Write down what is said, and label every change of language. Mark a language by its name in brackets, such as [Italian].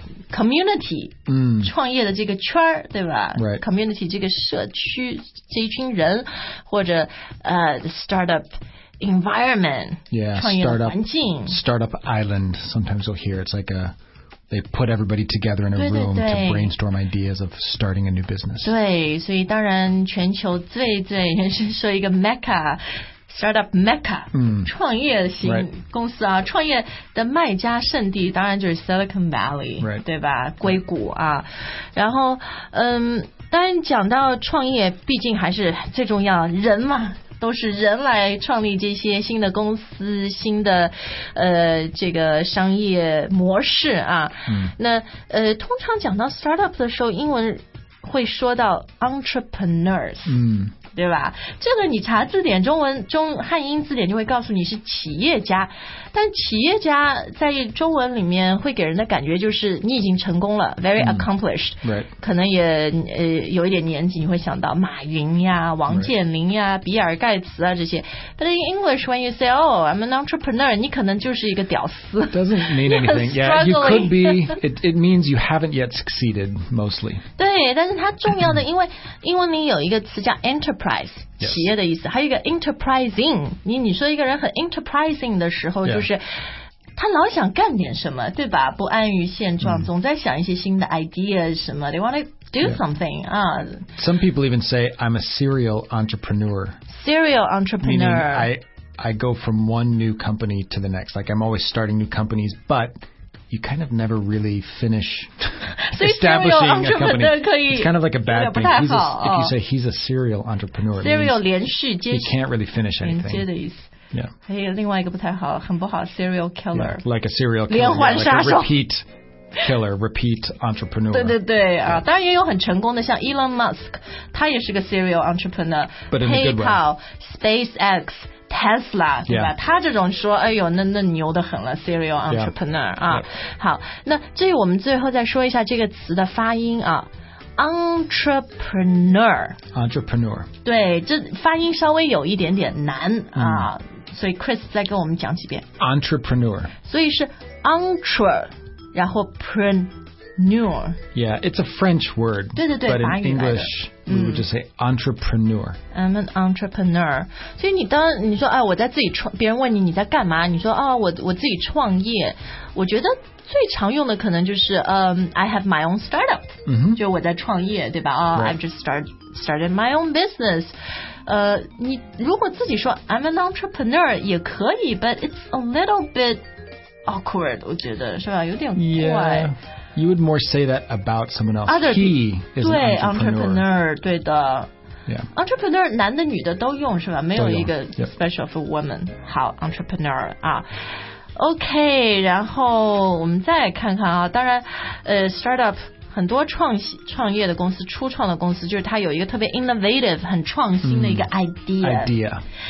[Chinese] Community 创业的这个圈，对吧？ [English] Right. [Chinese] Community 这个社区这一群人，或者 [English] startup environment， yeah, [Chinese] 创业的环境 [English] startup island sometimes you'll hear it's like aThey put everybody together in a room to brainstorm ideas of starting a new business. [Chinese] 对，所以当然全球最是说一个 [English] Mecca, startup Mecca, [Chinese] 创业型公司啊，创业的卖家圣地当然就是 Silicon Valley, [English] right. [Chinese] 对吧？硅谷啊，然后当然讲到创业，毕竟还是最重要，人嘛。都是人来创立这些新的公司新的这个商业模式啊。那通常讲到 startup 的时候英文会说到 entrepreneurs。对吧，这个你查字典中文中汉英字典就会告诉你是企业家，但企业家在中文里面会给人的感觉就是你已经成功了 [English] very accomplished、 [Chinese] 可能也有一点年纪你会想到马云呀王健林呀、比尔盖茨啊这些， [English] but in English when you say oh I'm an entrepreneur [Chinese] 你可能就是一个屌丝 [English] doesn't mean anything yeah you could be it means you haven't yet succeeded mostly [Chinese] 对，但是它重要的因为英文里有一个词叫 entrepreneurEnterprise、 [English] yes. [Chinese] 企业的意思，还有一个 enterprising， 你说一个人很 enterprising 的时候、 [English] yeah. [Chinese] 就是他老想干点什么，对吧？不安于现状、总在想一些新的 idea 什么， [English] they want to do、yeah. something、 Some people even say I'm a serial entrepreneur. Serial entrepreneur. Meaning I go from one new company to the next. Like I'm always starting new companies, but you kind of never really finish establishing a company. It's kind of like a bad thing. He's if you say he's a serial entrepreneur, [Chinese] serial 连续接 [English] he can't really finish anything. [Chinese] 连接的意思。 [English] Yeah. [Chinese] 还有另外一个不太好，很不好 ，serial killer. [English] Yeah, like a serial killer, [Chinese] 连环杀手。 [English] Like a repeat killer, repeat entrepreneur. [Chinese] 对对对、啊、当然也有很成功的，像 Elon Musk， 他也是个 serial entrepreneur. [English] But in a good way. PayPal, SpaceX. Tesla 对吧、 yeah. [Chinese] 他这种说哎呦那牛得很了 serial entrepreneur、 [English] yeah. 啊、 yep. [Chinese] 好，那这我们最后再说一下这个词的发音啊， entrepreneur 对，这发音稍微有一点点难啊、所以 Chris 再跟我们讲几遍 [English] entrepreneur， [Chinese] 所以是 entre 然后 preneur [English] yeah it's a French word [Chinese] 对对对 [English] but in English We would just say entrepreneur. I'm an entrepreneur. [Chinese] 所以你当你说、啊、我在自己创，别人问你你在干嘛，你说、啊、我自己创业，我觉得最常用的可能就是、 [English] I have my own startup、 mm-hmm. [Chinese] 就我在创业对吧、 [English] right. I've just started my own business、 [Chinese] 你如果自己说 [English] I'm an entrepreneur [Chinese] 也可以 [English] but it's a little bit awkward [Chinese] 我觉得是吧有点怪、 [English] yeah. You would more say that about someone else Other, He is an entrepreneur [Chinese] 对的、 [English] yeah. [Chinese] Entrepreneur 男的女的都用是吧没有一个 [English] special for women、 yep. [Chinese] 好 entrepreneur 啊OK, 然后我们再看看啊当然startup, 很多创业的公司初创的公司就是它有一个特别 innovative, 很创新的一个 idea。